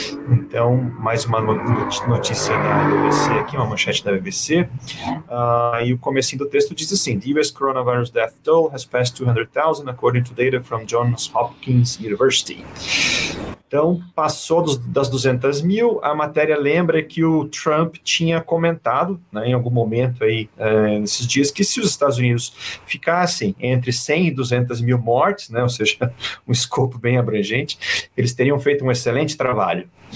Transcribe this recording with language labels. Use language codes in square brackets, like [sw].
[pt] Então, mais uma notícia da BBC aqui, uma manchete da BBC. E o comecinho do texto diz assim: [en] The US coronavirus death toll has passed 200,000 according to data from Johns Hopkins University. [pt] Então, passou das 200 mil. A matéria lembra que o Trump tinha comentado, né, em algum momento aí, nesses dias, que se os Estados Unidos ficassem entre 100 e 200 mil mortes, né, ou seja, um escopo bem abrangente, eles teriam feito um excelente trabalho.